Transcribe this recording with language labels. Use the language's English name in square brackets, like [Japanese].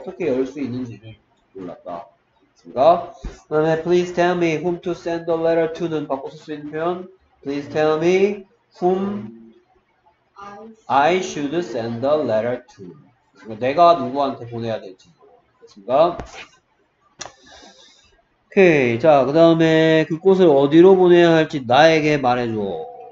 [Korean] 어떻게 열 수 있는지를 몰랐다. 됐습니까? 그 다음에 [English] Please tell me whom to send the letter to [Korean] 는 바꿔 쓸 수 있는 표현. [English] Please tell me whom I should send the letter to. [Korean] 그러니까 내가 누구한테 보내야 될지. 됐습니까? 오케이. 자, 그 다음에 그 꽃을 어디로 보내야 할지 나에게 말해줘.